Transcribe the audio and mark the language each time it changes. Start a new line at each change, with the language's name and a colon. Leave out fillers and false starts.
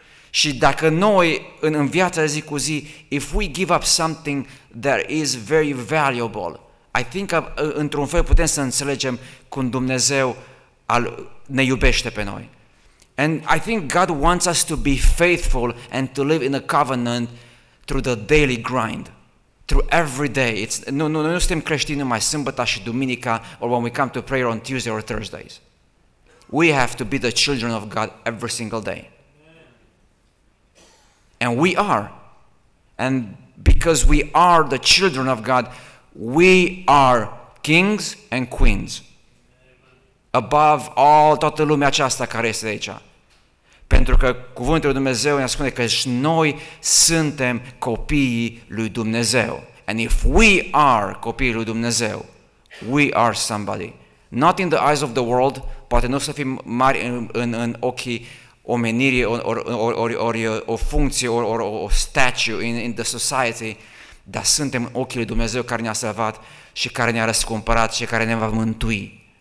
Romanian: Și dacă noi în viața zi cu zi,
English: if we give up something that is very valuable, I think
Romanian: că într-un fel putem să înțelegem cum Dumnezeu ne iubește pe noi.
English: And I think God wants us to be faithful and to live in a covenant through the daily grind. Through every day.
Romanian: Nu suntem creștini numai sâmbăta și duminica
English: or when we come to prayer on Tuesday or Thursdays. We have to be the children of God every single day. And we are. And because we are the children of God, we are kings and queens. Above all,
Romanian: toată lumea aceasta care este aici. Pentru că cuvântul lui Dumnezeu ne spune că și noi suntem copiii lui Dumnezeu.
English: And if we are
Romanian: copiii lui Dumnezeu,
English: we are somebody. Not in the eyes of the world,
Romanian: poate nu să fim mari în ochii omenirii o funcție, o
English: statue in the society,
Romanian: dar suntem în ochii lui Dumnezeu care ne-a salvat și care ne-a răscumpărat și care ne va mântui.